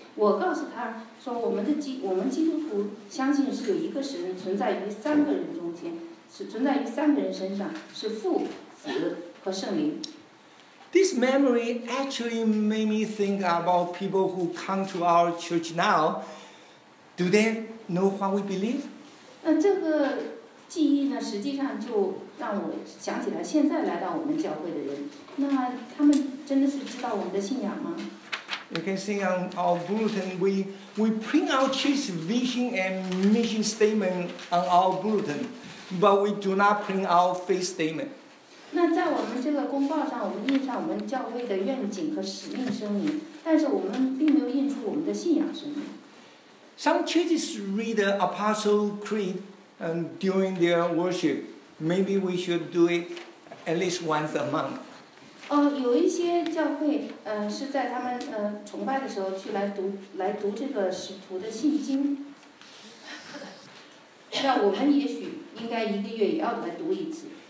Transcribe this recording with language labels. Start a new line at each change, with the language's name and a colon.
Chinese: 我告诉他说我们基督徒相信是有一个神存在于三个人中间，是存在于三个人身上，是父、子和圣灵。
English: This memory actually made me think about people who come to our church now. Do they know what we believe?
Chinese: 这个记忆呢，实际上就让我想起来现在来到我们教会的人。那他们真的是知道我们的信仰吗？
English: You can see on our bulletin, we print our church vision and mission statement on our bulletin, but we do not print our faith statement.
Chinese: 那在我们这个公报上，我们印上我们教会的愿景和使命声明，但是我们并没有印出我们的信仰声明。
English: Some churches read the Apostle Creed during their worship. Maybe we should do it at least once a month.
Chinese: 有一些教会是在他们崇拜的时候去来读这个使徒的信经。那我们也许应该一个月也要来读一次。